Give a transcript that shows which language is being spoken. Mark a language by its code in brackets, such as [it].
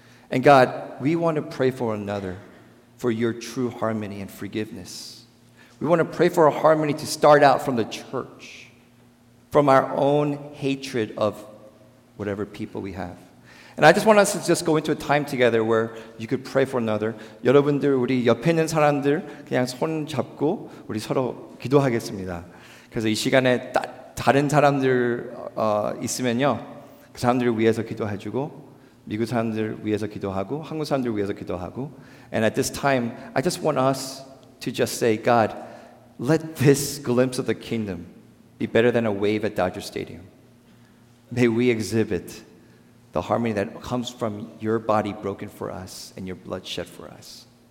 [en] And God, we want to pray for another, for your true harmony and forgiveness. We want to pray for a harmony to start out from the church, from our own hatred of whatever people we have. And I just want us to just go into a time together where you could pray for another. [ko] 여러분들, 우리 옆에 있는 사람들 그냥 손 잡고 우리 서로 기도하겠습니다. 그래서 이 시간에 다른 사람들 있으면요. 그 사람들을 위해서 기도해주고 미국 사람들 위해서 기도하고 한국 사람들 위해서 기도하고. [en] And at this time, I just want us to just say, God, let this glimpse of the kingdom be better than a wave at Dodger Stadium. May we exhibit the harmony that comes from your body broken for us and your blood shed for us.